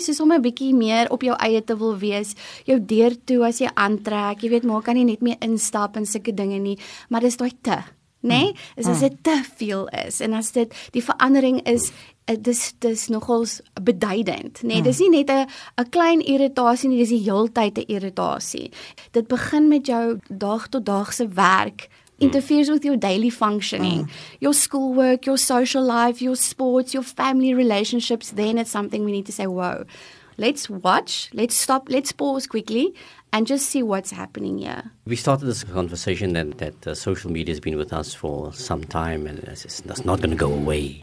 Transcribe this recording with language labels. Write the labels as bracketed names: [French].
[Afrikaans] Soos om 'n bietjie meer op jou eie te wil wees, jou deur toe as jy aantrek, jy weet, maar kan jy net meer instap in sulke dinge nie, maar dis daai te, né? Nee? Is as dit te veel is en as dit die verandering is, dis nogals beduidend, né? Nee? Dis nie net 'n klein irritasie nie, dis die heeltyd 'n irritasie. Dit begin met jou dag tot dag se werk. [English] Interferes with your daily functioning, your schoolwork, your social life, your sports, your family relationships. Then it's something we need to say, whoa, let's watch, let's stop, let's pause quickly and just see what's happening here. We started this conversation then that social media has been with us for some time and that's not going to go away.